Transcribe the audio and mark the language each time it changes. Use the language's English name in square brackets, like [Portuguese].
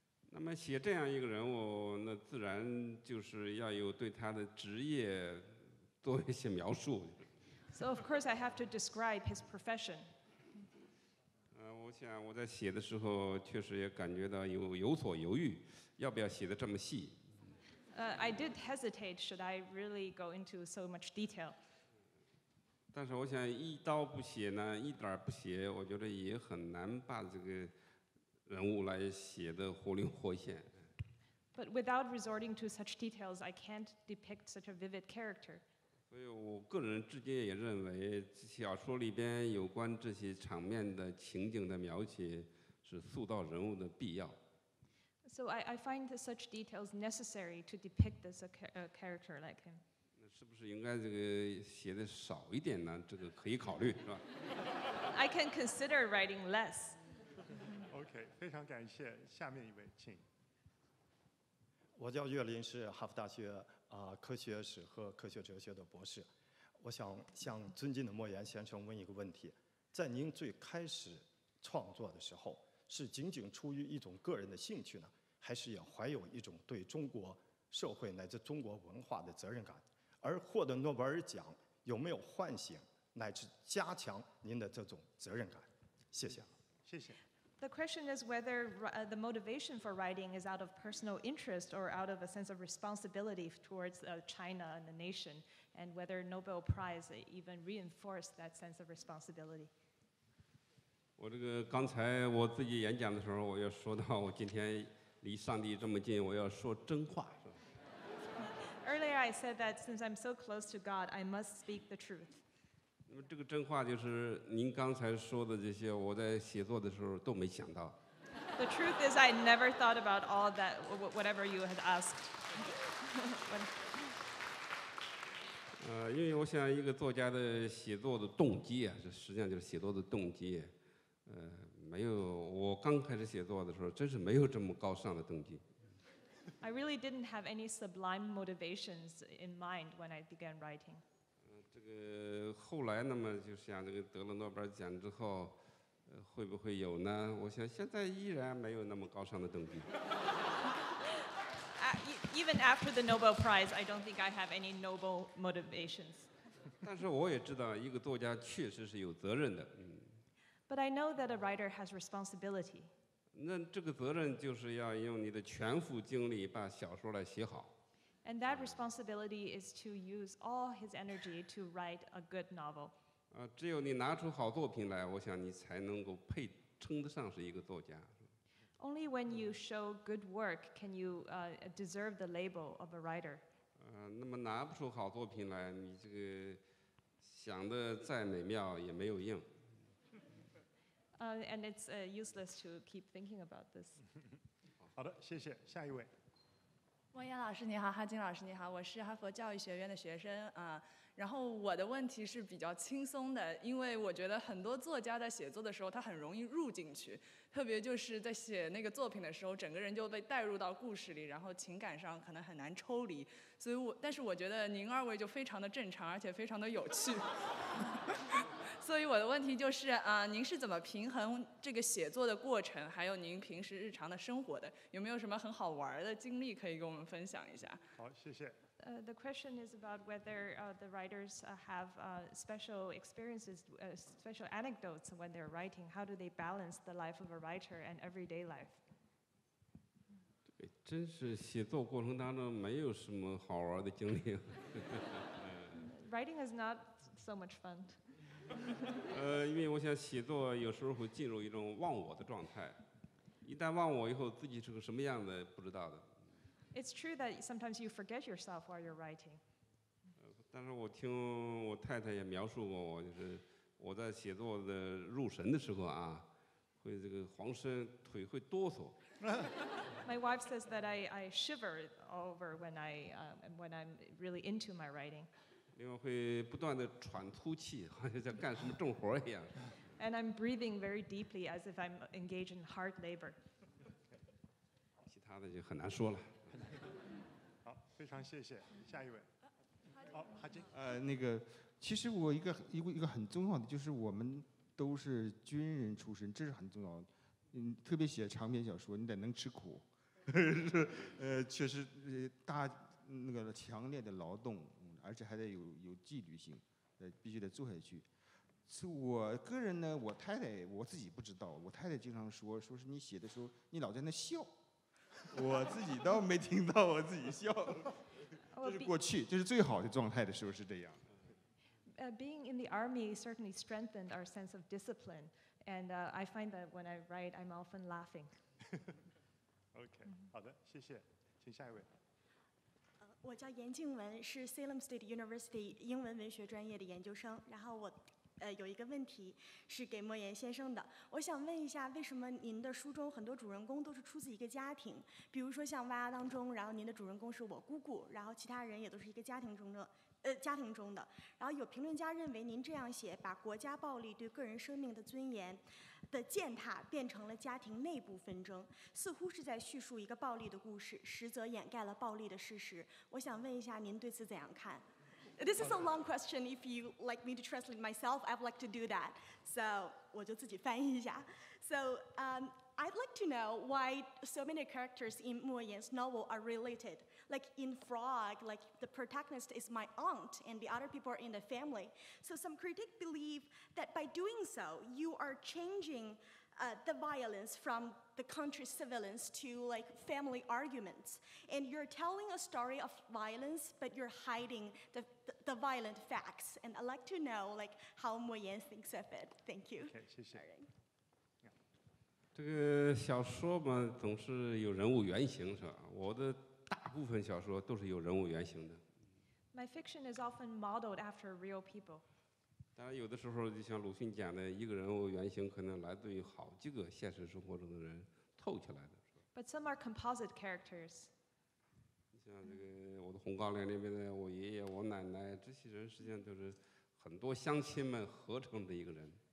[Chinese] 那么写这样一个人物，那自然就是要有对他的职业做一些描述。 [English] So of course I have to describe his profession. [Chinese] 我想我在写的时候确实也感觉到有所犹豫，要不要写的这么细。 [English] I did hesitate, should I really go into so much detail? [Chinese] 但是我想一刀不写呢，一点不写，我觉得也很难把这个人物来写的活灵活现。 [English] But without resorting to such details, I can't depict such a vivid character. [Chinese] 所以我个人至今也认为，小说里边有关这些场面的情景的描写是塑造人物的必要。 [English] So I find that such details necessary to depict this a character like him. [Chinese] 那是不是应该这个写的少一点呢？这个可以考虑，是吧 [English] ？I can consider writing less. [Chinese] Okay, 非常感谢。下面一位，请。我叫岳林，是哈佛大学科学史和科学哲学的博士。我想向尊敬的莫言先生问一个问题：在您最开始创作的时候，是仅仅出于一种个人的兴趣呢，还是也怀有一种对中国社会乃至中国文化的责任感？而获得诺贝尔奖有没有唤醒乃至加强您的这种责任感？谢谢。谢谢。 [English] The question is whether the motivation for writing is out of personal interest or out of a sense of responsibility towards China and the nation, and whether Nobel Prize even reinforced that sense of responsibility. [Chinese] 我这个刚才我自己演讲的时候，我要说到我今天离上帝这么近，我要说真话，是吧 [English] ？Earlier I said that since I'm so close to God, I must speak the truth. [Chinese] 那么这个真话就是您刚才说的这些，我在写作的时候都没想到。 [English] The truth is I never thought about all that whatever you had asked. [Chinese] 因为我想一个作家的写作的动机啊，这实际上就是写作的动机。没有，我刚开始写作的时候，真是没有这么高尚的动机。 [English] I really didn't have any sublime motivations in mind when I began writing. [Chinese] 这个后来那么就像这个得了诺贝尔奖之后，会不会有呢？我想现在依然没有那么高尚的动机。 [English] Even after the Nobel Prize, I don't think I have any noble motivations. [Chinese] 但是我也知道一个作家确实是有责任的。 [English] But I know that a writer has responsibility. [Chinese] 那这个责任就是要用你的全副精力把小说来写好。 [English] And that responsibility is to use all his energy to write a good novel. [Chinese] 只有你拿出好作品来，我想你才能够配称得上是一个作家。 [English] Only when you show good work can you deserve the label of a writer. [Chinese] 那么拿不出好作品来，你这个想的再美妙也没有用。 [English] And it's useless to keep thinking about this. [Chinese] 好的，谢谢，下一位。汪岩老师你好，哈金老师你好，我是哈佛教育学院的学生啊。然后我的问题是比较轻松的，因为我觉得很多作家在写作的时候他很容易入进去，特别就是在写那个作品的时候整个人就被带入到故事里，然后情感上可能很难抽离，所以但是我觉得您二位就非常的正常而且非常的有趣所以我的问题就是啊，您是怎么平衡这个写作的过程还有您平时日常的生活的，有没有什么很好玩的经历可以跟我们分享一下？好，谢谢。 [English] The question is about whether the writers have special experiences, special anecdotes when they're writing. How do they balance the life of a writer and everyday life? [Chinese] 对，真是写作过程当中没有什么好玩的经历。 [English] Writing is not so much fun. [Chinese] 因为我想写作有时候会进入一种忘我的状态，一旦忘我以后，自己是个什么样的不知道的。 [English] It's true that sometimes you forget yourself while you're writing. [Chinese] 但是我听我太太也描述过我，就是我在写作的入神的时候啊，会这个恍神，腿会哆嗦。 [English] My wife says that I shiver over when I'm really into my writing. [Chinese] 另外会不断的喘粗气，好像在干什么重活一样。 [English] And I'm breathing very deeply as if I'm engaged in hard labor. [Chinese] 其他的就很难说了。好，非常谢谢，下一位。好，哈金。那个，其实我一个很重要的就是我们都是军人出身，这是很重要的。特别写长篇小说，你得能吃苦，确实大那个强烈的劳动，而且还得有纪律性，必须得做下去。我个人呢，我太太我自己不知道，我太太经常说是你写的时候你老在那笑。我自己倒没听到我自己笑，这是过去，这是最好的状态的时候是这样。 [English] Being in the army certainly strengthened our sense of discipline, and I find that when I write, I'm often laughing. [Chinese] Okay, 好的，谢谢，请下一位。我叫严静文，是 Salem State University 英文文学专业的研究生，然后我。有一个问题是给莫言先生的，我想问一下，为什么您的书中很多主人公都是出自一个家庭？比如说像《蛙鸭》当中，然后您的主人公是我姑姑，然后其他人也都是一个家庭中的，家庭中的。然后有评论家认为，您这样写把国家暴力对个人生命的尊严的践踏变成了家庭内部纷争，似乎是在叙述一个暴力的故事，实则掩盖了暴力的事实。我想问一下，您对此怎样看？ [English] This is a long question. If you like me to translate myself, I'd like to do that. So, [Chinese] 我就自己翻译一下。 [English] So, I'd like to know why so many characters in 莫言's novel are related. Like in Frog, like the protagonist is my aunt and the other people are in the family. So some critics believe that by doing so, you are changing the violence from the country's civilians to like family arguments. And you're telling a story of violence, but you're hiding the violent facts. And I'd like to know like how Mo Yan thinks of it. Thank you. [Chinese] Okay, 谢谢。这个小说嘛，总是有人物原型是吧？我的大部分小说都是有人物原型的。 [English] My fiction is often modeled after real people. [Chinese] 当然，有的时候就像鲁迅讲的，一个人物原型可能来自于好几个现实生活中的人凑起来的。 [English] But some are composite characters. [Chinese] 像这个《我的红高粱》里面的我爷爷、我奶奶，这些人实际上都是很多乡亲们合成的一个人。